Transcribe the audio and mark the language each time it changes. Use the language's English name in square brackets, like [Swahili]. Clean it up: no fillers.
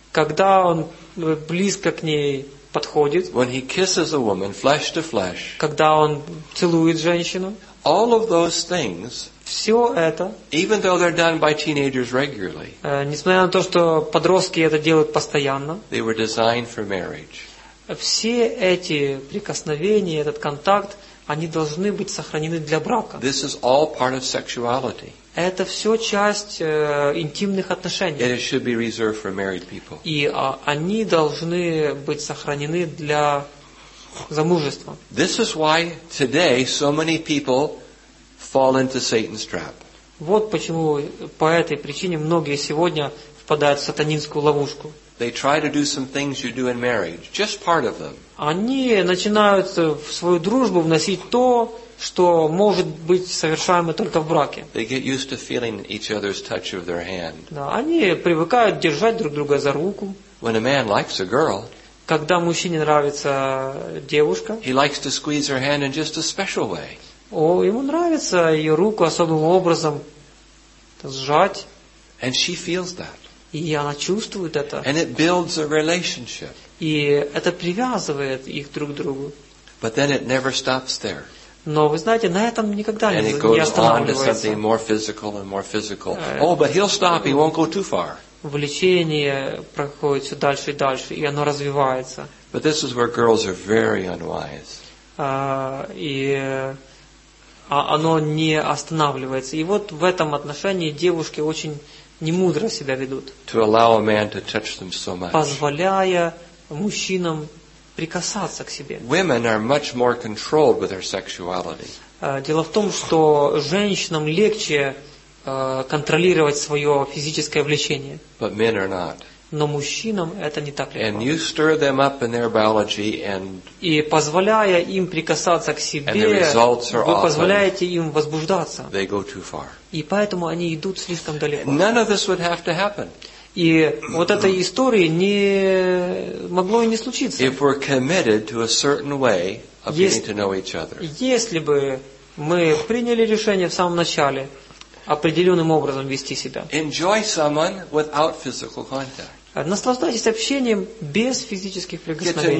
[Russian] когда он близко к ней подходит, [English] when he kisses a woman flesh to flesh, [Russian] когда он целует женщину, [English] all of those things, [Russian] все это, [English] even though they're done by teenagers regularly, [Russian] несмотря на то, что подростки это делают постоянно, [English] they were designed for marriage. [Russian] Все эти прикосновения, этот контакт, они должны быть сохранены для брака. [English] This is all part of sexuality. [Russian] Это все часть интимных отношений. [English] And it should be reserved for married people. [Russian] И они должны быть сохранены для замужества. [English] This is why today so many people fall into Satan's trap. [Russian] Вот почему по этой причине многие сегодня впадают в сатанинскую ловушку. [English] They try to do some things you do in marriage, just part of them. [Russian] Они начинают в свою дружбу вносить то, что может быть совершаемо только в браке. [English] They get used to feeling each other's touch of their hand. [Russian] Да, они привыкают держать друг друга за руку. [English] When a man likes a girl, [Russian] когда мужчине нравится девушка, [English] he likes to squeeze her hand in just a special way. [Russian] О, ему нравится ее руку особым образом сжать. [English] And she feels that. [Russian] И она чувствует это. [English] And it builds a relationship. [Russian] И это привязывает их друг к другу. [English] But then it never stops there. [Russian] Но вы знаете, на этом никогда не останавливается. [English] And it goes on to something more physical and more physical. Oh, but he'll stop. He won't go too far. [Russian] Влечение проходит все дальше и дальше, и оно развивается. [English] But this is where girls are very unwise. [Russian] Оно не останавливается. И вот в этом отношении девушки очень немудро себя ведут, [English] to allow a man to touch them so much. [Russian] Позволяя мужчинам прикасаться к себе. [English] Women are much more controlled with their sexuality. [Russian] Дело в том, что женщинам легче контролировать свое физическое влечение. [English] But men are not. [Russian] Но мужчинам это не так легко. [English] And you stir them up in their biology and [Russian] и позволяя им прикасаться к себе, [English] and the results are [Russian] вы позволяете им возбуждаться. [English] They go too far. [Russian] И поэтому они идут слишком далеко. [English] None of this would have to happen. [Russian] И вот этой истории не могло и не случиться. [English] If we're committed to a certain way of getting to know each other. [Russian] Если бы мы приняли решение в самом начале определенным образом вести себя. [English] Enjoy someone without physical contact. [Russian] Наслаждайтесь общением без физических прикосновений.